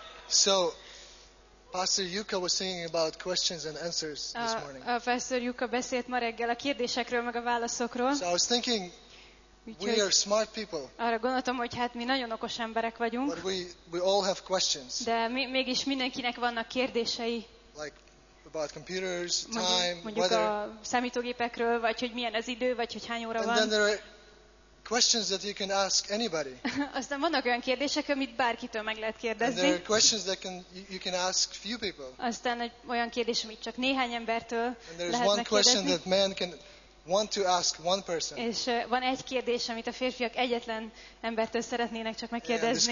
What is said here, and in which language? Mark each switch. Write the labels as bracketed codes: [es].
[en] So, Pastor Yuka was singing about questions and answers this morning. [hu] Pastor Yuka beszélt ma reggel a kérdésekről meg a válaszokról. [en] So I was thinking, we are smart people. [hu] Arra gondoltam, hogy hát mi nagyon okos emberek vagyunk. [en] But we all have questions. [hu] De mégis mindenkinek vannak kérdései. [en] Like about computers, time, weather. [hu] Mondjuk a számítógépekről, vagy hogy milyen az idő, vagy hogy hány óra van. [en] And then there are questions that you can ask anybody. [hu] Aztán vannak olyan kérdések, amit bárkitől meg lehet kérdezni. [en] And there are questions that you can ask few people. [hu] Aztán egy olyan kérdés, amit csak néhány embertől lehet megkérdezni. [en] And there is one question that man can want to ask one person. [hu] És van egy kérdés, amit a férfiak egyetlen embertől szeretnének csak megkérdezni.